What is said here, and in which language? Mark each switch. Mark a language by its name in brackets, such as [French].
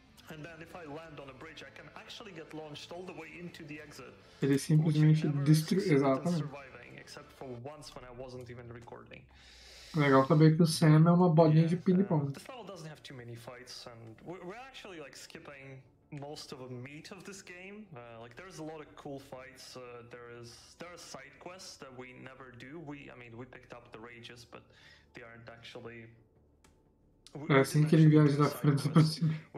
[English] And then if I land on a bridge, I can actually get launched all the way into the exit. [Portuguese] Ele simplesmente destruiu, exatamente. [English] Surviving, except for once when I wasn't even recording. [Portuguese] Legal saber que o Sam é uma bolinha de ping-pong. [English] This level doesn't have too many fights, and we're actually like skipping most of the meat of this game. Like there's a lot of cool fights. There are side quests that we never do. We picked up the rages, but they aren't actually. [Portuguese] É assim que ele viaja da França pra cima.